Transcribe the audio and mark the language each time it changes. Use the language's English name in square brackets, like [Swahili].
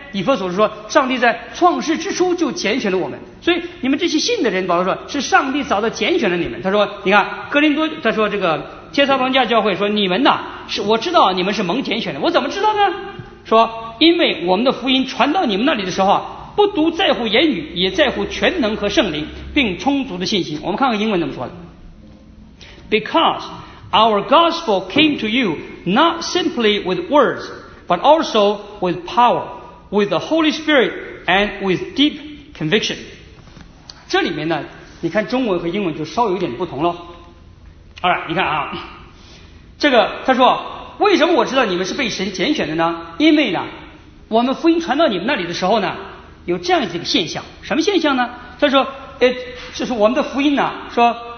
[Chinese] 以弗所说，上帝在创世之初就拣选了我们，所以你们这些信的人，保罗说是上帝早早拣选了你们。他说，你看哥林多，他说这个帖撒罗尼迦教会说，你们呐，是我知道你们是蒙拣选的，我怎么知道呢？说因为我们的福音传到你们那里的时候啊，不独在乎言语，也在乎全能和圣灵，并充足的信心。我们看看英文怎么说的。 [English] Because our gospel came to you not simply with words, but also with power, with the Holy Spirit, and with deep conviction. [Chinese] 这里面呢，你看中文和英文就稍有点不同了。 [English] All right, [Chinese] 你看啊，这个他说，为什么我知道你们是被神拣选的呢？因为呢，我们福音传到你们那里的时候呢，有这样一个现象，什么现象呢？他说，就是我们的福音呢，说。